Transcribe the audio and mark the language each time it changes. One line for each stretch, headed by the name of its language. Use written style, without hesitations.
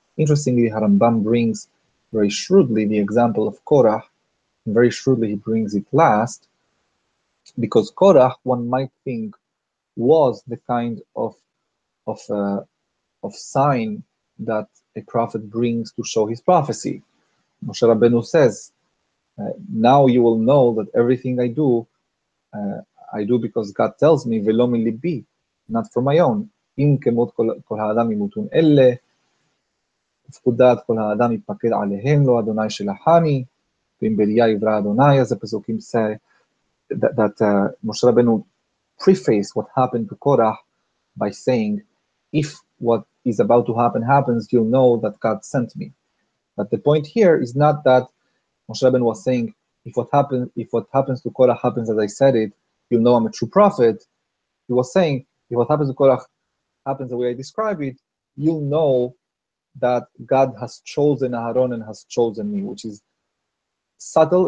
English: Interestingly, Harambam brings very shrewdly the example of Korach, and very shrewdly he brings it last, because Korach, one might think, was the kind of sign that a prophet brings to show his prophecy. Moshe Rabbeinu says, now you will know that everything I do because God tells me,
Hebrew: ולא מליבי,
English: not for my own.
Hebrew: אם כמות כל האדם ימותון אלה, פקודת כל האדם יפקד עליהם, לא אדוני שלחני, ואם בליה יברא אדוני, אז הפסוקים
English: say that Moshe Rabbeinu prefaced what happened to Korach by saying, if what is about to happen happens, you'll know that God sent me. But the point here is not that Moshe Rabbeinu was saying, if what happens to Korach happens as I said it, you'll know I'm a true prophet. He was saying, if what happens to Korach happens the way I describe it, you'll know that God has chosen Aharon and has chosen me, which is subtle.